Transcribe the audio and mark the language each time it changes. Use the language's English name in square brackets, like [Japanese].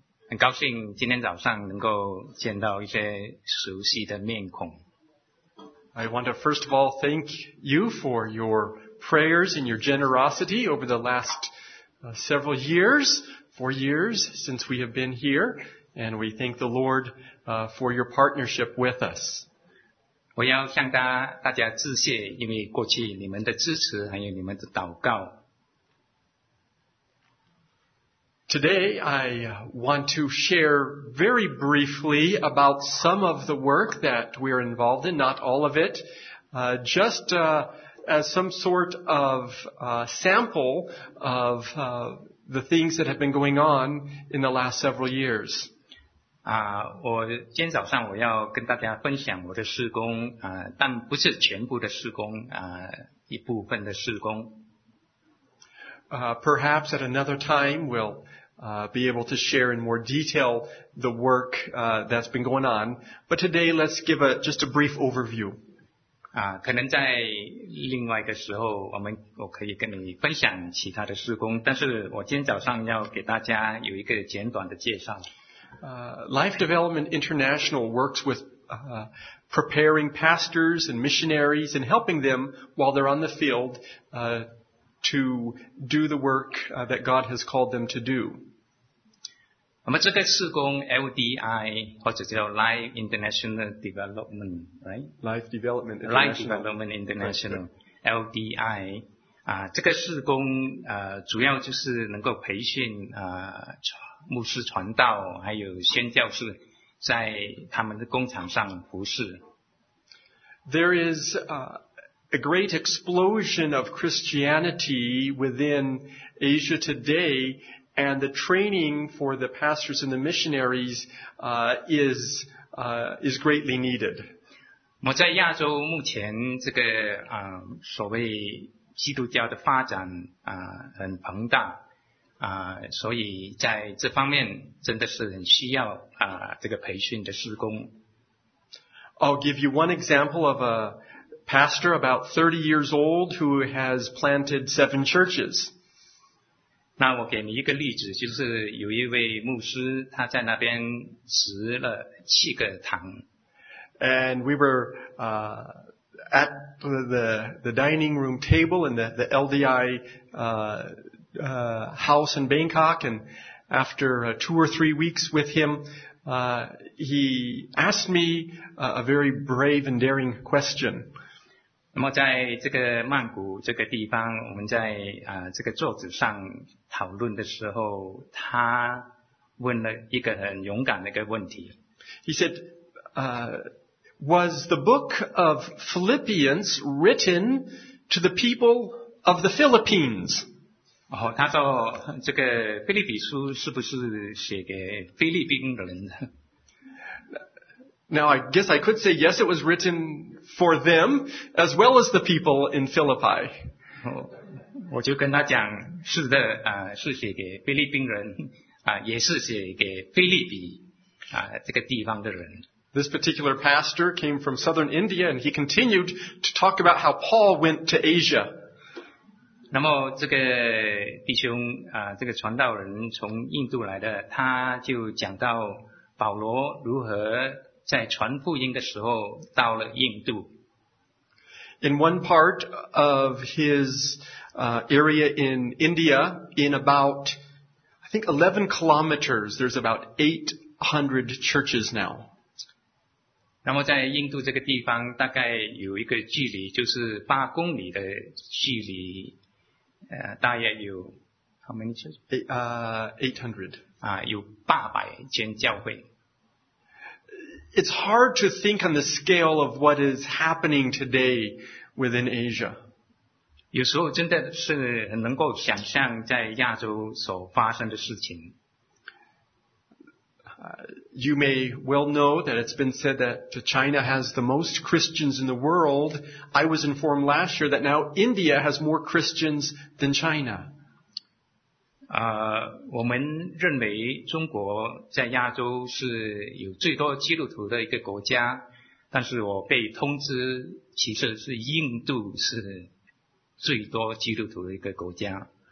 [Chinese] 很高兴今天早上能够见到一些熟悉的面孔。 [English] I want to first of all thank you for your prayers and your generosity over the last several years, 4 years since we have been here, and we thank the Lord for your partnership with us. [Chinese] 我要向大家致谢，因为过去你们的支持还有你们的祷告。 [English] Today, I want to share very briefly about some of the work that we are involved in, not all of it, as some sort of sample of the things that have been going on in the last several years. [Chinese] 我今天早上我要跟大家分享我的事工，但不是全部的事工，一部分的事工。 [English] Perhaps at another time, we'll be able to share in more detail the work that's been going on. But today, let's give just a brief overview. [Chinese] 可能在另外一个时候我可以跟你分享其他的事工，但是我今天早上要给大家有一个简短的介绍。 [English] Life Development International works with preparing pastors and missionaries and helping them while they're on the field to do the work that God has called them to do. [Chinese] 我们这个事工 LDI 或者叫 Life International Development, right? [English] Life Development International. Life Development International, LDI. [Chinese] 这个事工主要就是能够培训牧师传道还有宣教士在他们的工厂上服事。 [English] There is a great explosion of Christianity within Asia today. And the training for the pastors and the missionaries is greatly needed. [Chinese] 我在亚洲目前这个所谓基督教的发展很庞大所以在这方面真的是很需要这个培训的施工。 [English] I'll give you one example of a pastor about 30 years old who has planted 7 churches. [Chinese] 那我给你一个例子，就是有一位牧师，他在那边植了七个堂。 [English] And we were at the dining room table in the LDI house in Bangkok, and after two or three weeks with him, he asked me a very brave and daring question. [Chinese] 那么在这个曼谷这个地方我们在这个桌子上讨论的时候他问了一个很勇敢的一个问题。 [English] He said, was the book of Philippians written to the people of the Philippines? [Chinese] 他说这个腓立比书是不是写给菲律宾人的。 [English] Now, I guess I could say, yes, it was written for them, as well as the people in Philippi. [Chinese] 我就跟他讲，是的，是写给菲律宾人，也是写给菲律比，这个地方的人。 [English] This particular pastor came from southern India, and he continued to talk about how Paul went to Asia. [Chinese] 那么这个弟兄啊，这个传道人从印度来的，他就讲到保罗如何在传福音的时候到了印度。 [English] In one part of his area in India, in about, I think 11 kilometers, there's about 800 churches now. [Chinese] 那么在印度这个地方大概有一个距离，就是八公里的距离，大约有 [English] how many churches? 800. [Chinese] 有800间教会。 [English] It's hard to think on the scale of what is happening today within Asia. [Chinese] 有时候真的是很能够想象在亚洲所发生的事情。 [English] You may well know that it's been said that China has the most Christians in the world. I was informed last year that now India has more Christians than China. [Chinese] 我们认为中国在亚洲是有最多基督徒的一个国家，但是我被通知其实是印度是最多基督徒的一个国家。